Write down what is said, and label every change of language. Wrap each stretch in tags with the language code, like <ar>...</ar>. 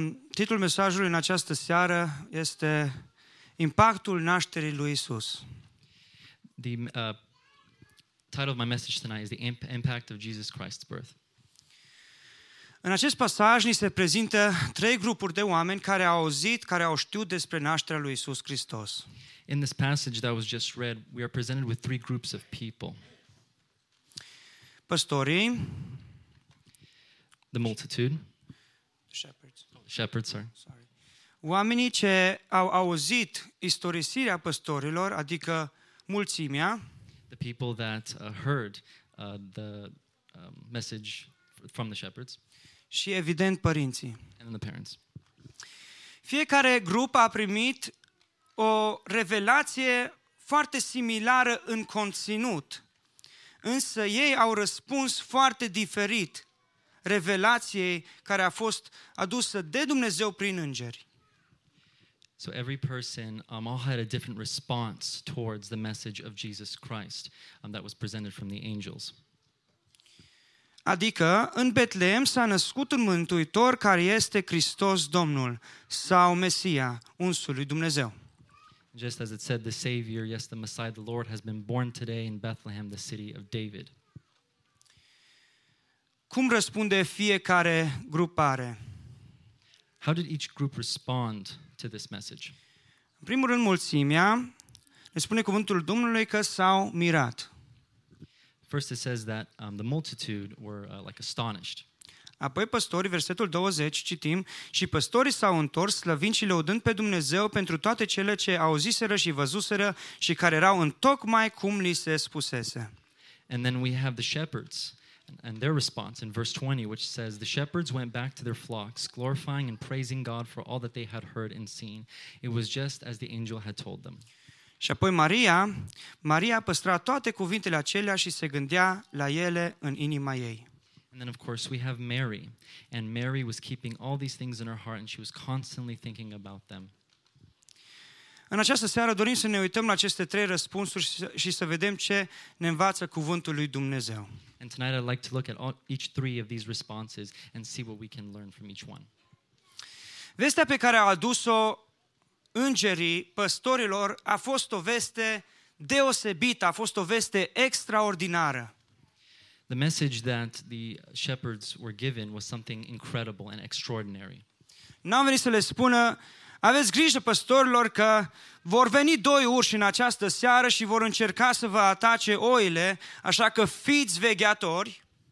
<ro>Titlul mesajului în această seară este Impactul nașterii lui Isus.</ro> <en>The title of my message tonight is The Impact of Jesus Christ's Birth.</en> <ro>În acest pasaj ni se prezintă trei grupuri de oameni care au auzit, care au știut despre nașterea lui Isus Hristos.</ro> <en>In this passage that was just read, we are presented with three groups of people.</en> <ro>Păstorii.</ro> <en>The multitude. Shepherds. Shepherds, sorry.</en> <ro>Oamenii ce au auzit istorisirea păstorilor, adică mulțimea.</ro> <en>The people that heard the message from the shepherds.</en> <ro>Și evident părinții.</ro> <en>And the parents.</en> <ro>Fiecare grup a primit o revelație foarte similară în conținut, însă ei au răspuns foarte diferit revelației care a fost adusă de Dumnezeu prin îngeri.</ro> <en>So every person all had a different response towards the message of Jesus Christ that was presented from the angels.</en> <ro>Adică, în Betleem s-a născut un Mântuitor care este Hristos Domnul, sau Mesia, unsul lui Dumnezeu.</ro> <en>Just as it said, the Savior, yes, the Messiah, the Lord, has been born today in Bethlehem, the city of David.</en> <ro>Cum răspunde fiecare grupare?</ro> <en>How did each group respond to this message?</en> <ro>În primul rând, mulțimea, ne spune cuvântul Domnului că s-au mirat.</ro> <en>First it says that the multitude were like astonished.</en> <ro>Apoi păstorii, versetul 20, citim, și păstorii s-au întors slăvind și lăudând pe Dumnezeu pentru toate cele ce auziseră și văzuseră și care erau întocmai cum li se spusese.</ro> <en>And then we have the shepherds and their response in verse 20, which says, the shepherds went back to their flocks, glorifying and praising God for all that they had heard and seen. It was just as the angel had told them.</en> <ro>Și apoi Maria păstra toate cuvintele acelea și se gândea la ele în inima ei.</ro> <en>And then of course we have Mary, and Mary was keeping all these things in her heart and she was constantly thinking about them.</en> <ro>În această seară dorim să ne uităm la aceste trei răspunsuri și să vedem ce ne învață cuvântul lui Dumnezeu.</ro> <en>And tonight I'd like to look at all, each three of these responses and see what we can learn from each one.</en> <ro>Vestea pe care a adus-o îngerii păstorilor a fost o veste deosebită, a fost o veste extraordinară.</ro> <en>The message that the shepherds were given was something incredible and extraordinary.</en> <ro>N-au venit să le spună, aveți grijă păstorilor că vor veni doi urși în această seară și vor încerca să vă atace oile, așa că fiți vegheatori.</ro>